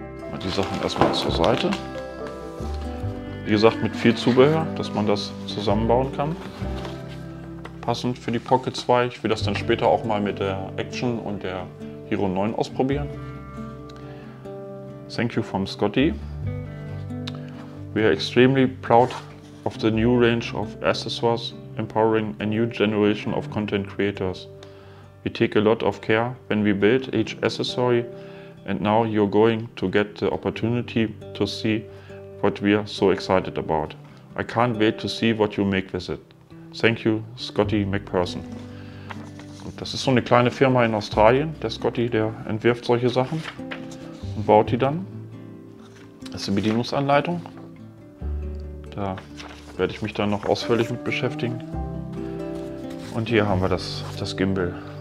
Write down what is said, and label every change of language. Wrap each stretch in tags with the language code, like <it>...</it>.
<de>Mal die Sachen erstmal zur Seite. Wie gesagt, mit viel Zubehör, dass man das zusammenbauen kann. Passend für die Pocket 2. Ich will das dann später auch mal mit der Action und der Hero 9 ausprobieren.</de> <en>Thank you from Scotty. We are extremely proud of the new range of accessories empowering a new generation of content creators. We take a lot of care when we build each accessory and now you're going to get the opportunity to see what we are so excited about. I can't wait to see what you make with it. Thank you, Scotty McPherson.</en> <de>Das ist so eine kleine Firma in Australien. Der Scotty, der entwirft solche Sachen und baut die dann. Das ist die Bedienungsanleitung. Da werde ich mich dann noch ausführlich mit beschäftigen. Und hier haben wir das Gimbal.</de>